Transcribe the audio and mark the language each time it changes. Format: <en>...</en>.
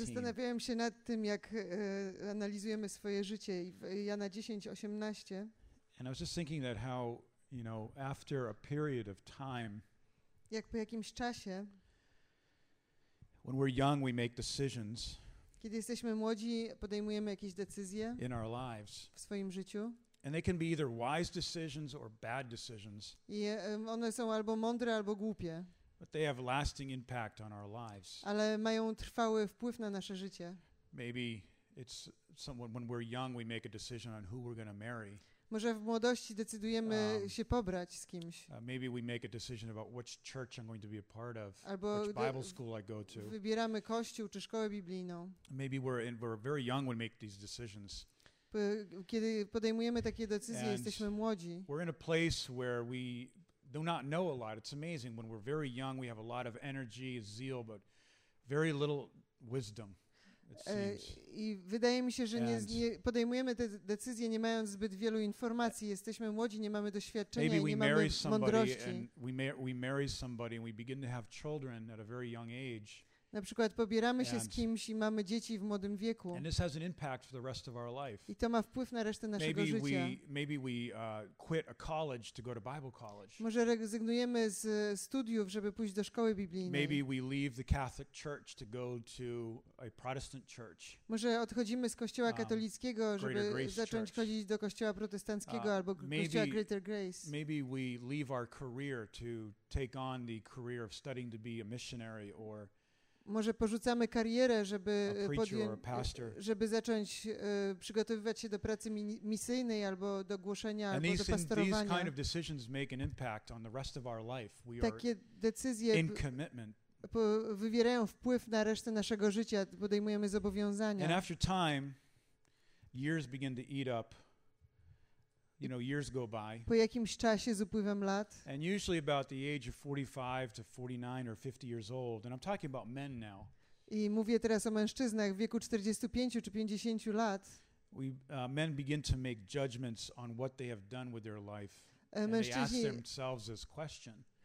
<pl>Zastanawiałem się nad tym, jak analizujemy swoje życie. Jana 10, 18.</pl> <en>And I was just thinking that how, you know, after a period of time,</en> <pl>jak po jakimś czasie,</pl> <en>when we're young, we make decisions.</en> <pl>Kiedy jesteśmy młodzi, podejmujemy jakieś decyzje</pl> <en>in our lives.</en> <pl>W swoim życiu.</pl> <en>And they can be either wise decisions or bad decisions.</en> <pl>I one są albo mądre, albo głupie.</pl> <en>But they have lasting impact on our lives.</en> <pl>Ale mają trwały wpływ na nasze życie.</pl> <en>Maybe it's someone when we're young, we make a decision on who we're going to marry.</en> <pl>Może w młodości decydujemy się pobrać z kimś.</pl> <en>Maybe we make a decision about which church I'm going to be a part of,</en> <pl>albo</pl> <en>which Bible school I go to.</en> <pl>Wybieramy kościół czy szkołę biblijną.</pl> <en>Maybe we're very young when we make these decisions.</en> <pl>Kiedy podejmujemy takie decyzje,</pl> <en>and</en> <pl>jesteśmy młodzi.</pl> <en>We're in a place where we do not know a lot. It's amazing when we're very young, we have a lot of energy, zeal, but very little wisdom.</en> <pl>I wydaje mi się, że nie podejmujemy te decyzje nie mając zbyt wielu informacji. Jesteśmy młodzi, nie mamy doświadczenia,</pl> <en>maybe</en> <pl>i nie mamy</pl> <en>marry</en> <pl>mądrości.</pl> <en>And we marry somebody and we begin to have children at a very young age.</en> <pl>Na przykład pobieramy się z kimś i mamy dzieci w młodym wieku.</pl> <en>And this has an impact for the rest of our life.</en> <pl>I to ma wpływ na resztę naszego</pl> <en>maybe</en> <pl>życia.</pl> <en>Maybe we quit a college to go to Bible college.</en> <pl>Może rezygnujemy z studiów, żeby pójść do szkoły biblijnej.</pl> <en>Maybe we leave the Catholic church to go to a Protestant church.</en> <pl>Może odchodzimy z kościoła katolickiego, żeby zacząć chodzić do kościoła protestanckiego albo kościoła Greater Grace.</pl> <en>Maybe we leave our career to take on the career of studying to be a missionary or</en> <pl>może porzucamy karierę, żeby zacząć przygotowywać się do pracy misyjnej albo do głoszenia,</pl> <en>and</en> <pl>albo do pastorowania.</pl> <en>These kind of decisions make an impact on the rest of our life. We</en> <pl>takie</pl> <en>are</en> <pl>decyzje</pl> <en>in commitment.</en> <pl>Wywierają wpływ na resztę naszego życia, podejmujemy zobowiązania.</pl> <en>And after time, years begin to eat up. You know, years go by.</en> <pl>Po jakimś czasie z upływem lat.</pl> <en>And usually about the age of 45 to 49 or 50 years old. And I'm talking about men now.</en> <pl>I mówię teraz o mężczyznach w wieku 45 czy 50 lat.</pl> <en>Men begin to make judgments on what they have done with their life.</en> <pl>Mężczyźni</pl> <en>and they ask themselves this question.</en>